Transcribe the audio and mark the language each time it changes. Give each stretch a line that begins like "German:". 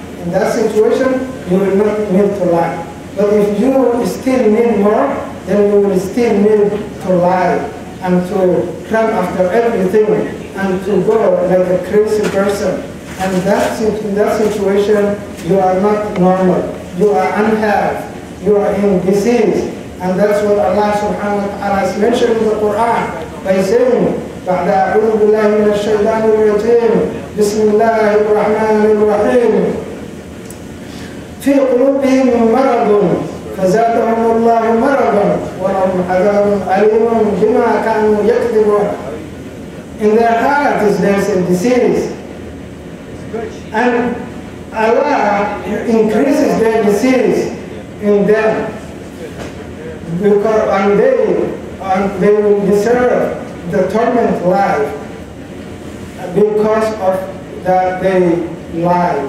English: In that situation, you will not need to lie. But if you still need more, then you will still need to lie and to cram after everything and to go like a crazy person. And in that situation, you are not normal. You are unhealthy. You are in disease. And that's what Allah subhanahu wa ta'ala has mentioned in the Quran by saying,
Arabic: بعد أعوذ بالله من الشيطان الرجيم بسم الله الرحمن الرحيم في قلوبهم مرض فزادهم الله مرضا ولهم عذاب أليم بما كانوا يكذبون.
English: In their heart is there's a disease, and Allah increases their disease in them, because they will deserve the torment life because of that they lie.